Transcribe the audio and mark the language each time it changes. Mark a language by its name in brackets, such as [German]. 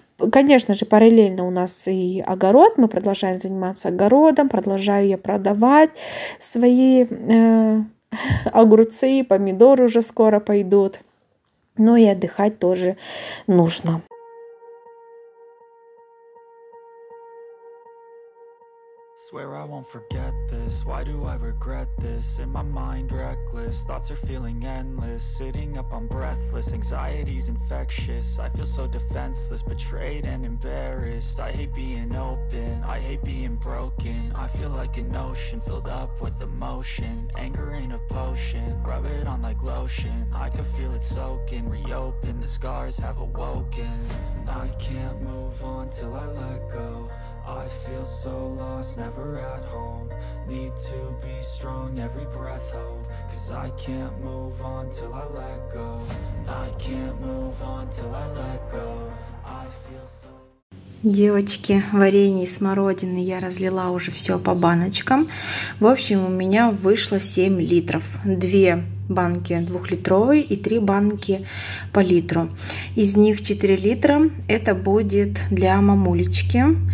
[Russian] Конечно же, параллельно у нас и огород, мы продолжаем заниматься огородом, продолжаю я продавать свои огурцы, помидоры уже скоро пойдут, ну и отдыхать тоже нужно. [English] Swear I won't forget this. Why do I regret this? In my mind reckless, thoughts are feeling endless. Sitting up, I'm breathless. Anxiety's infectious. I feel so defenseless, betrayed and embarrassed. I hate being open. I hate being broken. I feel like an ocean filled up with emotion. Anger ain't a potion. Rub it on like lotion. I can feel it soaking. Reopen, the scars have awoken. I can't move on till I let go. I feel so lost, never at home. Need to be strong, every breath hold. 'Cause I can't move on till I let go. I can't move on till I let go. I feel so... [Russian] Девочки, варенье из смородины я разлила уже все по баночкам. В общем, у меня вышло 7 литров. 2 банки 2-литровые и 3 банки по литру. Из них 4 литра это будет для мамулечки.